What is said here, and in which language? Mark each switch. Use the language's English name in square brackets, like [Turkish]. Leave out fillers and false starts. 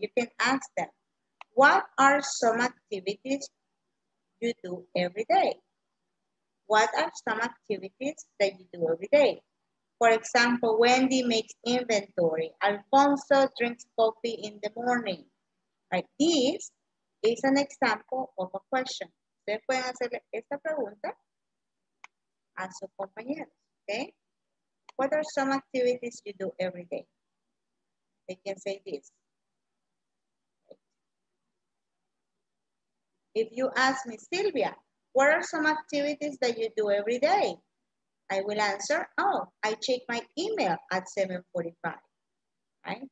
[English] You can ask them, what are some activities you do every day? What are some activities that you do every day? For example, Wendy makes inventory. Alfonso drinks coffee in the morning. Like this is an example of a question. [Spanish] Ustedes pueden hacerle esta pregunta a su compañero, okay? [English] What are some activities you do every day? They can say this. If you ask me, Silvia, what are some activities that you do every day? I will answer, oh, I check my email at 7:45, right?